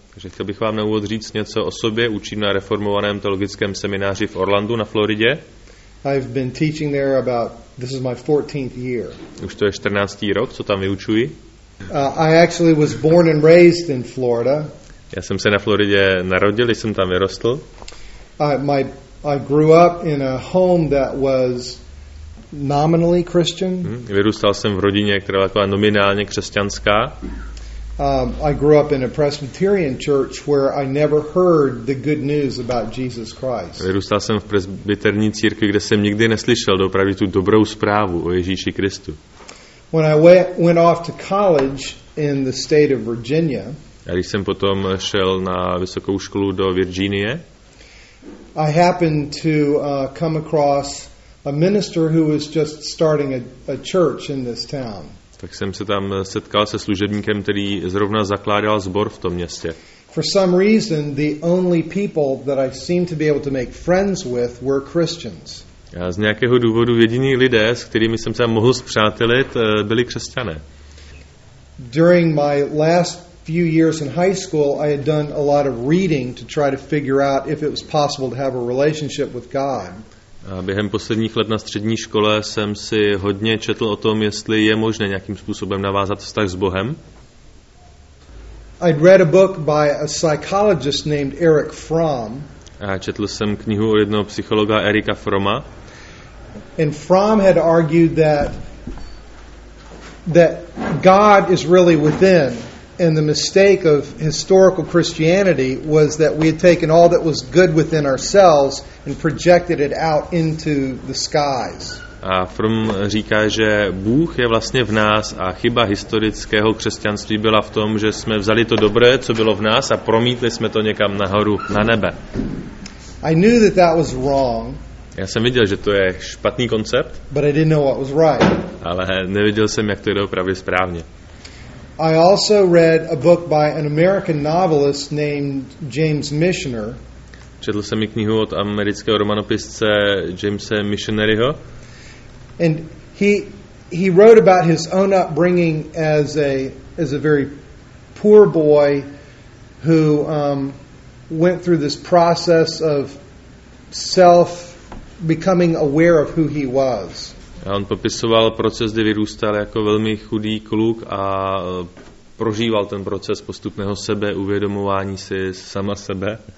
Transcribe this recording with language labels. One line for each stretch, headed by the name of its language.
Czech: Takže chtěl bych vám na úvod říct něco o sobě. Učím na Reformovaném teologickém semináři v Orlandu na Floridě.
English: I've been teaching there about, this is my 14th year.
Czech: Už to je 14. rok, co tam vyučuji.
English: I actually was born and raised in Florida.
Czech: Já jsem se na Floridě narodil, jsem tam vyrostl.
English: I grew up in a home that was nominally Christian.
Czech: Vyrůstal jsem v rodině, která byla taková nominálně křesťanská.
English: I grew up in a Presbyterian church where I never heard the good news about Jesus Christ.
Czech: Vyrůstal jsem v presbyterní církvi, kde jsem nikdy neslyšel doopravdy tu dobrou zprávu o Ježíši Kristu.
English: When I went off to college in the state of Virginia.
Czech: A když jsem potom šel na vysokou školu do Virginie.
English: I happened to come across a minister who was just starting a church in this town.
Czech: Tak jsem se tam setkal se služebníkem, který zrovna zakládal sbor v tom městě.
English: For some reason, the only people that I seemed to be able to make friends with were Christians.
Czech: A z nějakého důvodu jediní lidé, s kterými jsem se mohl spřátelit, byli křesťané.
English: During my last few years in high school, I had done a lot of reading to try to figure out if it was possible to have a relationship with God.
Czech: A během posledních let na střední škole jsem si hodně četl o tom, jestli je možné nějakým způsobem navázat vztah s Bohem.
English: I'd read a book by a psychologist named Eric Fromm.
Czech: A četl jsem knihu od jednoho psychologa Erika Fromma.
English: And Fromm had argued that God is really within. And the mistake of historical Christianity was that we had taken all that was good within ourselves and projected it out into the skies.
Czech: A Fromm říká, že Bůh je vlastně v nás a chyba historického křesťanství byla v tom, že jsme vzali to dobré, co bylo v nás a promítli jsme to někam nahoru, na nebe.
English: I knew that was wrong.
Czech: Já jsem viděl, že to je špatný koncept.
English: But I didn't know what was right.
Czech: Ale neviděl jsem, jak to je opravdu správně.
English: I also read a book by an American novelist named James Michener.
Czech: Četl jsem i knihu od amerického romanopisce Jamesa Michenerho.
English: And he wrote about his own upbringing as a very poor boy who went through this process of self becoming aware of who he was.
Czech: A on popisoval proces, kdy vyrůstal jako velmi chudý kluk a prožíval ten proces postupného sebe, uvědomování si sama sebe.